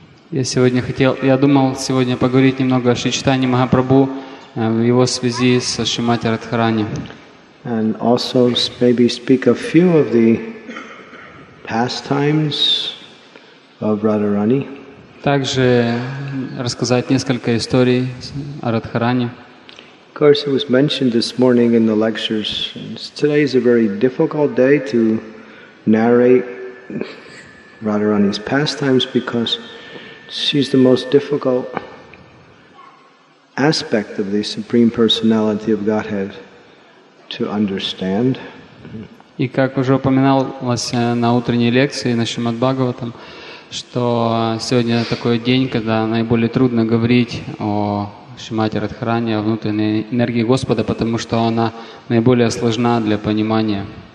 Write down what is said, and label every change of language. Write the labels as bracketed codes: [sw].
[ru] Я думал сегодня поговорить немного о Шри Чайтанье Махапрабху в его связи со Шримати Радхарани. [en] And also maybe speak a few of the pastimes of Radharani. [ru] Также рассказать несколько историй о Радхарани. [en] Of course, it was mentioned this morning in the lectures. Today is a very difficult day to narrate Radharani's pastimes because she's the most difficult aspect of the Supreme Personality of Godhead to understand. [ru] И как уже упоминалось на утренней лекции на Шримад Бхагаватам, что сегодня такой день, когда наиболее трудно говорить о Шримати Радхарани, о внутренней энергии Господа, потому что она наиболее сложна для понимания.